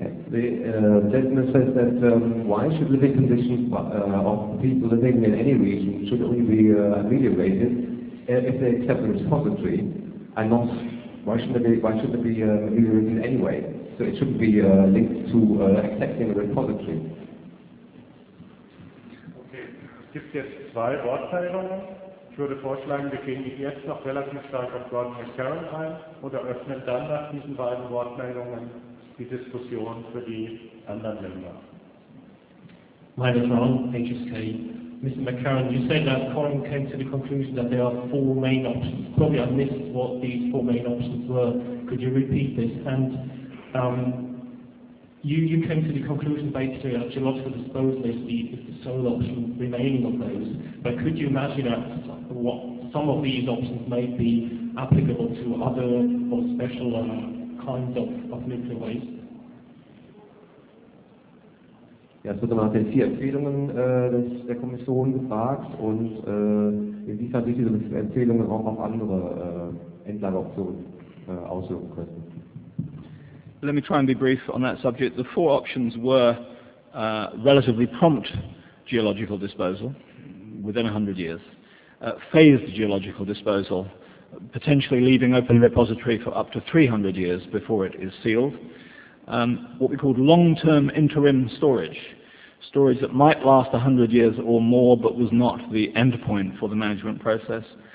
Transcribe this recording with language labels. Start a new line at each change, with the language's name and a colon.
English: The statement says that why should living conditions of people living in any region should only be ameliorated if they accept the repository, and not why should they be ameliorated anyway? So it shouldn't be linked to accepting the repository.
German: Okay, es gibt jetzt zwei Wortteilungen. Ich würde vorschlagen, wir gehen jetzt noch relativ stark auf Gordon McCarron ein und eröffnen dann nach diesen beiden Wortmeldungen die Diskussion für die anderen Länder. Meine Frau, HSK. Mr.
English: McCarron, you said that Corinne came to the conclusion that there are four main options. Probably I missed what these four main options were. Could you repeat this? And you came to the conclusion basically that geological disposal is the sole option remaining of those. But could you imagine that what some of these options may be applicable to other or special kinds of nuclear waste?
German: Ja, es wird nach den vier Empfehlungen der Kommission gefragt und inwiefern sich diese Empfehlungen auch auf andere Endlageoptionen auswirken könnten.
English: Let me try and be brief on that subject. The four options were relatively prompt geological disposal within 100 years, phased geological disposal, potentially leaving open repository for up to 300 years before it is sealed, what we called long-term interim storage, storage that might last 100 years or more but was not the end point for the management process.